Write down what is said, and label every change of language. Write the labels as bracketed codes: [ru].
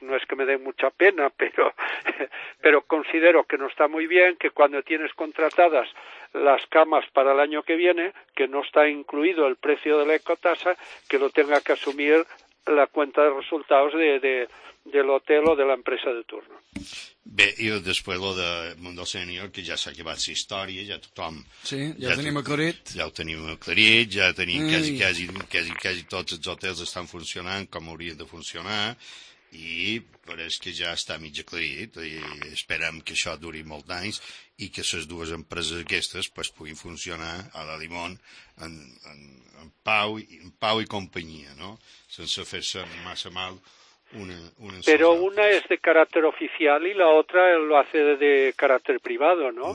[es] No es que me dé mucha pena, pero considero que no está muy bien que cuando tienes contratadas las camas para el año que viene, que no está incluido el precio de la ecotasa, que lo tenga que asumir la cuenta de resultados del hotel o de la empresa de turno. [ca] Bé, i després lo de Mundo Senior, que ja s'ha acabat la història, ja tothom... Sí, ja tenim aclarit. Ja ho tenim aclarit, ja tenim quasi tots els hotels estan funcionant com haurien de funcionar, i pareix que ja està mig aclarit, i esperem que això duri molts anys, i que les dues empreses aquestes pues, puguin funcionar a la Limón en pau i companyia, no? Sense fer-se massa mal... [es] Pero una es de carácter oficial y la otra lo hace de carácter privado, ¿no?